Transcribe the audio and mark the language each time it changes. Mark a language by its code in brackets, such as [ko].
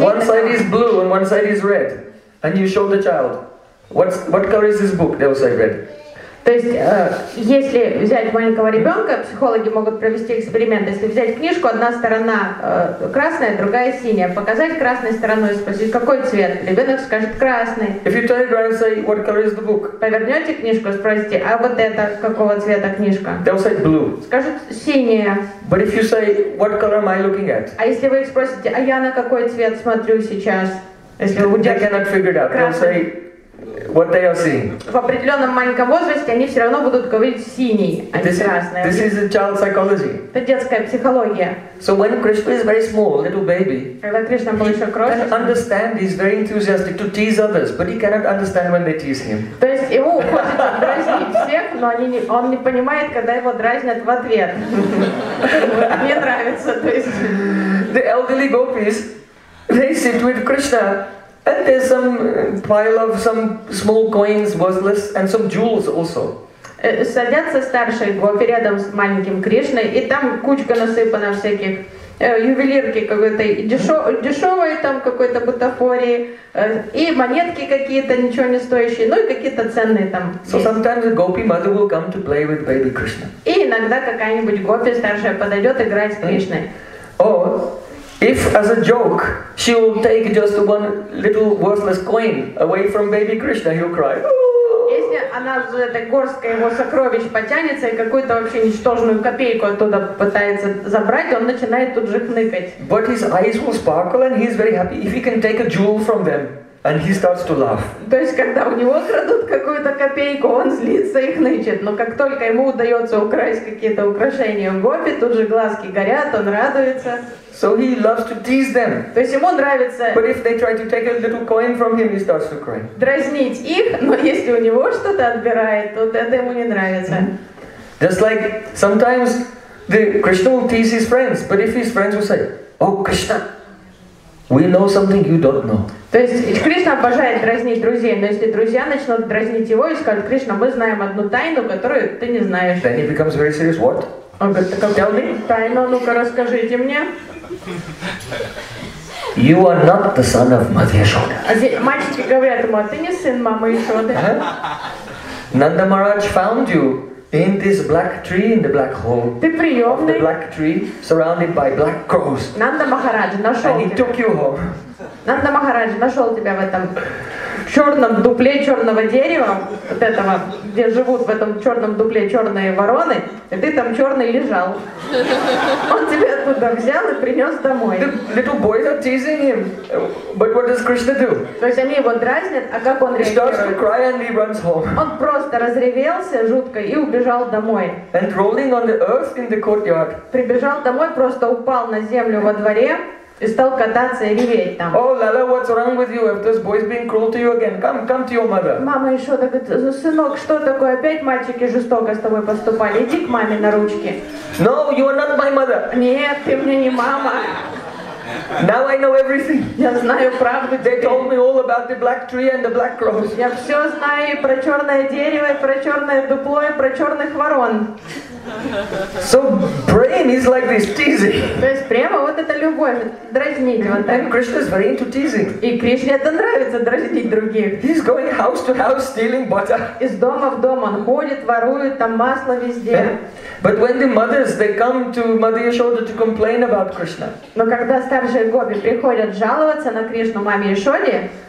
[en] One side is blue and one side is red, and you show the child what color is this book? They will say red. [ru] То есть, если взять маленького ребенка, психологи могут провести эксперимент. Если взять книжку, одна сторона красная, другая синяя, показать красной стороной, спросить, какой цвет, ребенок скажет красный. [en] If you turn it around and say, what color is the book? [ru] Повернете книжку, спросите, а вот это какого цвета книжка? [en] They'll say blue. [ru] Скажут синяя. [en] But if you say, what color am I looking at? [ru] А если вы их спросите, а я на какой цвет смотрю сейчас? Если вы будете... [en] They cannot figure it out. They'll say what they are seeing. [ru] В определенном маленьком возрасте они все равно будут говорить синий, а не красный. [en] This is a child psychology. [ru] Это детская психология. [en] So when Krishna is very small, little baby, [ru] когда Кришна был еще крошечным, [en] can understand, he's very enthusiastic to tease others, but he cannot understand when they tease him. [ru] То есть ему хочется дразнить всех, но он не понимает, когда его дразнят в ответ. Мне нравится, то есть. [en] The elderly gopis, they sit with Krishna. And there's some pile of some small coins, worthless, and some jewels also. [ru] Садятся старшие гопи рядом с маленьким Кришной, и там кучка насыпана всяких ювелирки какой-то, дешевой там какой-то бутафории, и монетки какие-то, ничего не стоящие, ну и какие-то ценные там. [en] So sometimes a gopi mother will come to play with baby Krishna. [ru] И иногда какая-нибудь гопи старшая подойдет играть с Кришной. [en] Oh. If, as a joke, she will take just one little worthless coin away from baby Krishna, he'll cry. [ru] Если она за этой горсткой его сокровищ потянется и какую-то вообще ничтожную копейку оттуда пытается забрать, он начинает тут же хныкать. [en] But his eyes will sparkle and he's very happy if he can take a jewel from them. And he starts to laugh. [ru] То есть, когда у него крадут какую-то копейку, он злится и хнычет. Но как только ему удается украсть какие-то украшения у гопи, тут же глазки горят, он радуется. [en] So he loves to tease them. [ru] То есть ему нравится. [en] But if they try to take a little coin from him, he starts to cry. [ru] Дразнить их, но если у него что-то отбирает, то это ему не нравится. [en] Just like sometimes the Krishna will tease his friends, but if his friends will say, "Oh, Krishna, we know something you don't know." [ru] То есть Кришна обожает дразнить друзей, но если друзья начнут дразнить его и скажут, Кришна, мы знаем одну тайну, которую ты не знаешь. [en] Then he becomes very serious. What? [ru] Он говорит, так какую тайну? Ну-ка, расскажите мне. [en] You are not the son of Mother Yashoda. [ru] Мальчики говорят ему, а ты не сын мамы Яшоды. [en] Nanda Maharaj found you in this black tree, in the black hole. [ru] Ты приемный. [en] The black tree, surrounded by black crows. [ru] Нанда Махарадж нашел тебя. [en] And he took you home. [ru] Нанда Махарадж нашел тебя в этом черном дупле черного дерева, вот этого, где живут в этом черном дупле черные вороны, и ты там черный лежал. Он тебя оттуда взял и принес домой. [en] The little boys are teasing him. But what does Krishna do? [ru] То есть они его дразнят, а как он реагирует? [en] He starts to cry and he runs home. [ru] Он просто разревелся жутко и убежал домой. [en] And rolling on the earth in the courtyard. [ru] Прибежал домой, просто упал на землю во дворе. И стал кататься и реветь там. [en] Oh, Lala, what's wrong with you? If this boy's being cruel to you again, come to your mother. [ru] Мама еще так говорит, сынок, что такое? Опять мальчики жестоко с тобой поступали. Иди к маме на ручки. [en] No, you are not my mother. [ru] Нет, ты мне не мама. [en] Now I know everything. [ru] Я знаю правду. [en] They told me all about the black tree and the black cross. [ru] Я все знаю про черное дерево, про черное дупло и про черных ворон. [en] So Prem is like this teasing. [ru] То есть Према вот это любовь дразнить вот так. [en] And Krishna is very into teasing. [ru] И Кришне это нравится дразнить других. [en] He's going house to house stealing butter. [ru] Из дома в дом он ходит, ворует там масло везде. [en] But when the mothers they come to Mother Yashoda to complain about Krishna. [ru] Но когда старшие гопи приходят жаловаться на Кришну маме Яшоде.